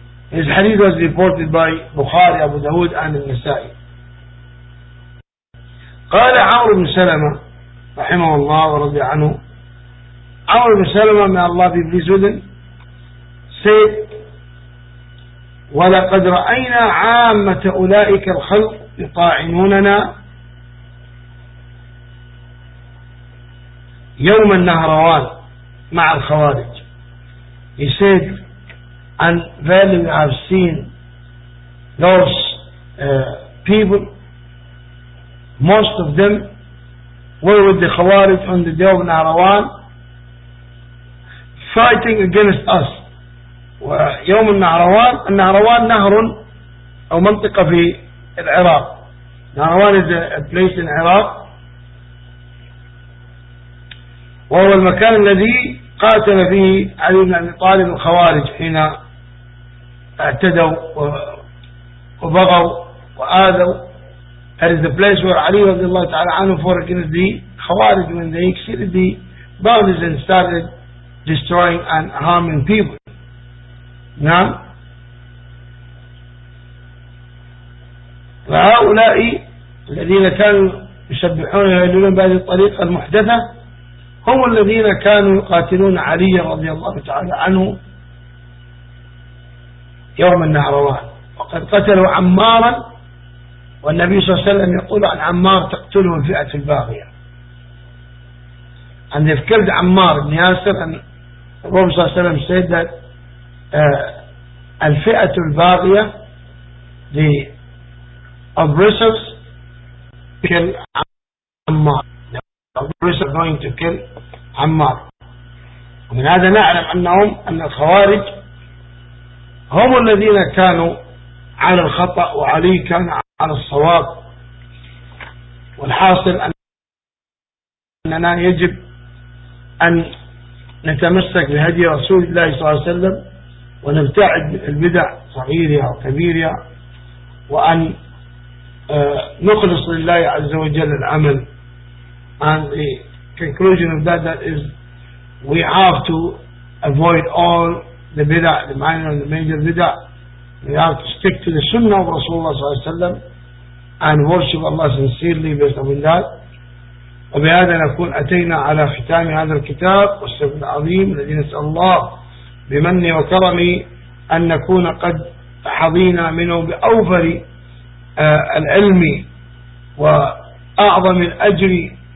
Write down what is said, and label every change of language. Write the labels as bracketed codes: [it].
[en] His hadith was reported by Bukhari, Abu Dawud, and Nasa'i. [ar] قال عمرو بن سلمة رحمه الله ورضي عنه. [en] عمرو بن سلمة may Allah be pleased with him said. [ar] وَلَقَدْ رَأَيْنَا عَامَّةَ أُولَٰئِكَ الْخَلْقِ يُطَاعِنُونَنَا يَوْمَ النَّهْرَوَانِ مَعَ الْخَوَارِجِ. [en] He said, and verily we have seen those people, most of them were with the Khawarij on the day of Narawan, fighting against us. [ar] ويوم النهروان النهروان نهر أو منطقة في العراق. النهروان [en] is a place in Iraq, [ar] وهو المكان الذي قاتل فيه علي بن أبي طالب الخوارج حين اعتدوا وبغوا وآذوا. [en] That is the place where علي [ar] رضي الله تعالى عنه فور [en] against the خوارج when they exceeded the boundaries and started destroying and harming people. [ar] نعم. وهؤلاء الذين كانوا يسبحون ويهللون بهذه الطريقة المحدثة هم الذين كانوا يقاتلون علي رضي الله تعالى عنه يوم النهروان. وقد قتلوا عمارا، والنبي صلى الله عليه وسلم يقول عن عمار تقتله الفئة الباغية. [en] And they've killed عمار بن ياسر. And the Prophet صلى الله عليه وسلم said that [ar] الفئة الباغية [en] the oppressors kill عمار. The oppressors going to kill عمار. [ar] ومن هذا نعلم أنهم أن الخوارج هم الذين كانوا على الخطأ وعلي كان على الصواب. والحاصل أننا يجب أن نتمسك بهدي رسول الله صلى الله عليه وسلم ونبتعد البدع صغيرها وكبيرها، وأن نخلص لله عز وجل العمل. [en] And the conclusion of that is we have to avoid all the bid'ah, the minor and the major bid'ah. We have to stick to the sunnah of Rasulullah صلى الله عليه وسلم and worship Allah sincerely based upon that. [ar] وبهذا نكون أتينا على ختام هذا الكتاب والسبب العظيم الذي نسأل الله بمني وكرمي أن نكون قد حظينا منه بأوفر العلم وأعظم الأجر.